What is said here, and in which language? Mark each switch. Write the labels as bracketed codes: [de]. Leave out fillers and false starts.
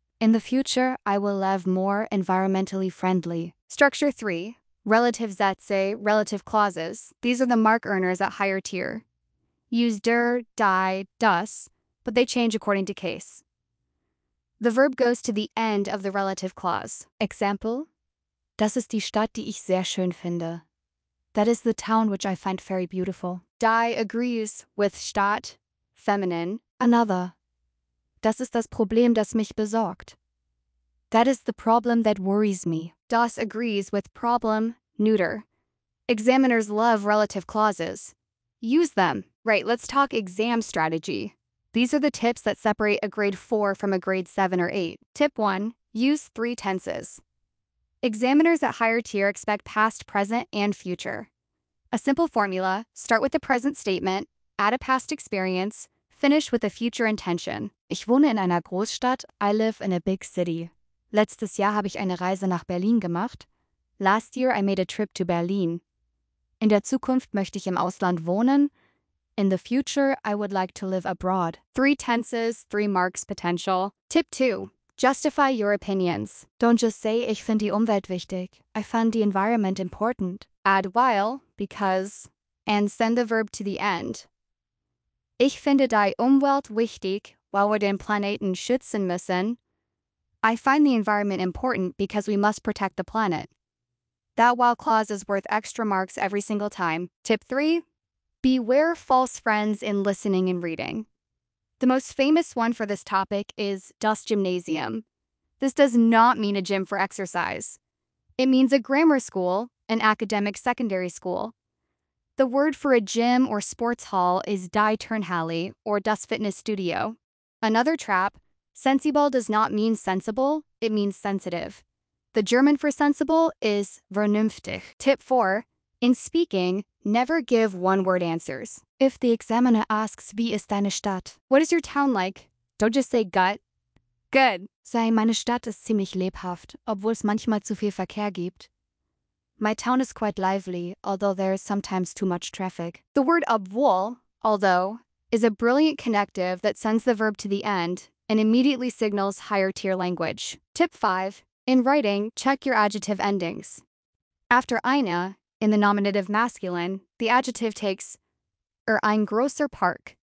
[en] In the future, I will live more environmentally friendly. Structure 3. [de] Relative Sätze, [en] relative clauses. These are the mark earners at higher tier. use der, die, das, but they change according to case. The verb goes to the end of the relative clause. Example: [de] Das ist die Stadt, die ich sehr schön finde. [en] That is the town which I find very beautiful. Die agrees with Stadt, feminine. Another: [de] Das ist das Problem, das mich besorgt. [en] That is the problem that worries me. Das agrees with problem, neuter. Examiners love relative clauses. Use them. Right, let's talk exam strategy. These are the tips that separate a grade 4 from a grade 7 or 8. Tip 1, use 3 tenses. Examiners at higher tier expect past, present, and future. A simple formula: start with the present statement, add a past experience, finish with a future intention. [de] Ich wohne in einer Großstadt. [en] I live in a big city. [de] Letztes Jahr habe ich eine Reise nach Berlin gemacht. [en] Last year I made a trip to Berlin. [de] In der Zukunft möchte ich im Ausland wohnen. [en] In the future, I would like to live abroad. 3 tenses, 3 marks potential. Tip 2. Justify your opinions. Don't just say, [de] ich finde die Umwelt wichtig. [en] I find the environment important. Add while, because, and send the verb to the end. [de] Ich finde die Umwelt wichtig, weil wir den Planeten schützen müssen. [en] I find the environment important because we must protect the planet. That while clause is worth extra marks every single time. Tip 3. Beware false friends in listening and reading. The most famous one for this topic is Das Gymnasium. This does not mean a gym for exercise. It means a grammar school, an academic secondary school. The word for a gym or sports hall is Die Turnhalle or Das Fitness Studio. Another trap: sensibel does not mean sensible, it means sensitive. The German for sensible is vernünftig. Tip 4. In speaking, never give one-word answers. If the examiner asks, [de] wie ist deine Stadt? [en] What is your town like? Don't just say gut. Good. [de] Sei, meine Stadt ist ziemlich lebhaft, obwohl es manchmal zu viel Verkehr gibt. [en] My town is quite lively, although there is sometimes too much traffic. The word obwohl, although, is a brilliant connective that sends the verb to the end and immediately signals higher tier language. Tip 5. In writing, check your adjective endings. After eine, in the nominative masculine, the adjective takes [de] ein großer Park.